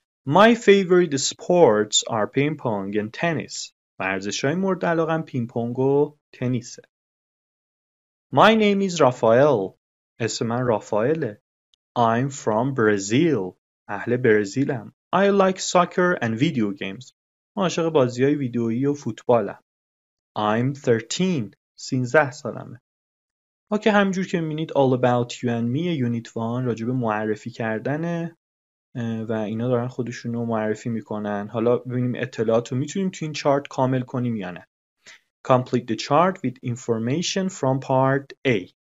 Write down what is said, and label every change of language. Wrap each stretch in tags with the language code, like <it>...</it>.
<en>My favorite sports are ping pong and tennis.</en> <fa>ورزش‌های مورد علاقه‌ام پینگ پونگ و تنیسه.</fa> <en>My name is Rafael.</en> <fa>اسم من رافائله.</fa> <en>I'm from Brazil.</en> <fa>اهل برزیلم.</fa> <en>I like soccer and video games.</en> <fa>عاشق بازی‌های ویدیویی و فوتبالم.</fa> <en>I'm 13.</en> <fa>13 سالمه. اوکی، همینجور که می‌بینید All About You and Me یونیت 1 راجع به معرفی کردنه و اینا دارن خودشون رو معرفی میکنن. حالا ببینیم اطلاعات رو میتونیم تو این چارت کامل کنیم یا نه.</fa> <en>Complete the chart with information from part A.</en>